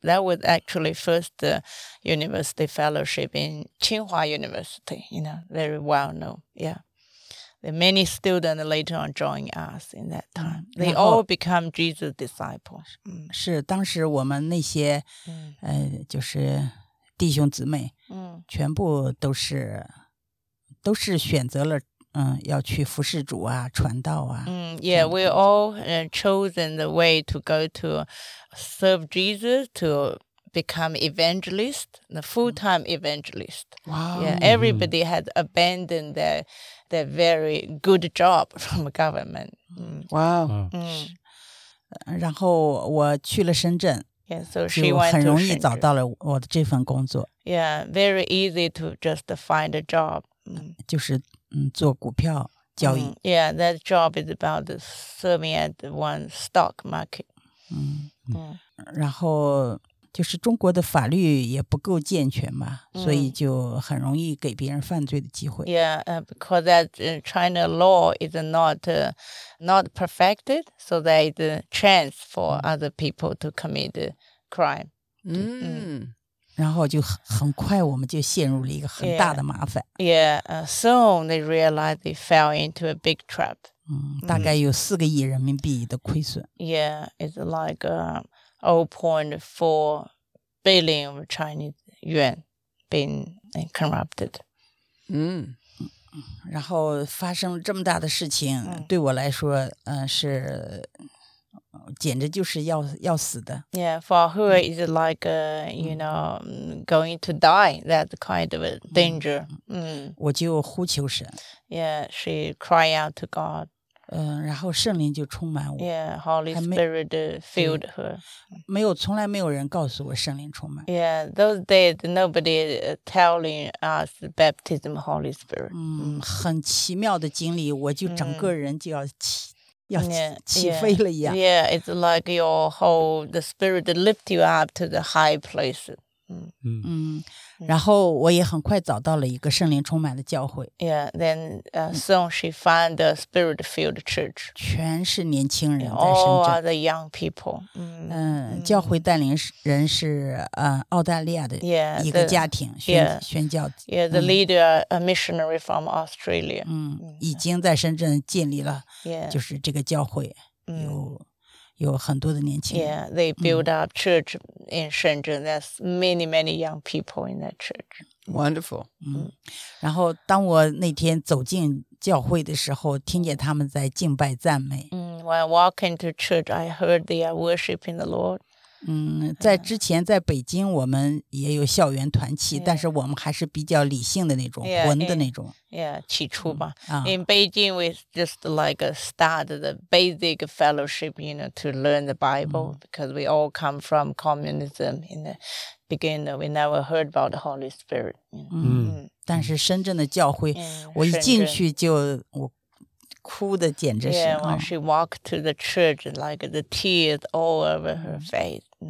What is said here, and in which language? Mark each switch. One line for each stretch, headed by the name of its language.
English: That was actually first university fellowship in Tsinghua University, you know, very well known. Yeah. Many students later on joined us in that time. They all become Jesus disciples.
Chinese: 是当时我们那些就是弟兄姊妹全部都是选择了要去服侍主啊，传道啊。
English: Yeah, we all chosen the way to go to serve Jesus, to become evangelist, the full-time evangelist. Wow. Yeah, everybody had abandoned their very good job from government. Wow.
Chinese: 然后我去了深圳。
English: Yeah, so she went to
Chinese: 很容易找到了我的这份工作。
English: Yeah, very easy to just find a job.
Chinese: 就是做股票交易。
English: Yeah, that job is about the serving at one stock market.
Chinese: 然后就是中国的法律也不够健全嘛，所以就很容易给别人犯罪的机会。
English: Yeah, because that China law is not perfected, so there is a chance for other people to commit a crime.
Chinese: 然后就很快我们就陷入了一个很大的麻烦。
English: Soon they realized they fell into a big trap.
Chinese: 大概有4亿人民币的亏损。
English: Yeah, it's like 0.4 billion of Chinese yuan being corrupted.
Chinese: 然后发生这么大的事情对我来说是简直就是要死的。
English: Yeah, for her, it's like, going to die, that kind of a danger.
Chinese: 我就呼求神。
English: Yeah, she cried out to God.
Chinese: 然后圣灵就充满我。
English: Yeah, Holy Spirit filled her.
Chinese: 从来没有人告诉我圣灵充满。
English: Yeah, those days, nobody telling us baptism Holy Spirit.
Chinese: 很奇妙的经历，我就整个人就要起飞了一样。
English: Yeah, it's like your whole the spirit lift you up to the high place.
Chinese: 然后我也很快找到了一个圣灵充满的教会。
English: Yeah, then soon she found a spirit filled church.
Chinese: 全是年轻人在深圳。
English: All the young people.
Chinese: 教会带领人是澳大利亚的一个家庭宣教。
English: Yeah, the leader a missionary from Australia.
Chinese: 已经在深圳建立了就是这个教会。有很多的年轻人。
English: Yeah, they build up church in Shenzhen. There's many, many young people in that church. Wonderful.
Chinese: 然后当我那天走进教会的时候，听见他们在敬拜赞美。
English: When I walk into church, I heard they are worshiping the Lord.
Chinese: 在之前在北京我们也有校园团契，但是我们还是比较理性的那种，混的那种。起初吧。
English: In Beijing, we just like start the basic fellowship, you know, to learn the Bible, because we all come from communism in the beginning. We never heard about the Holy Spirit.
Chinese: 但是深圳的教会，我一进去我哭的简直是。
English: Yeah, when she walked to the church, like the tears all over her face.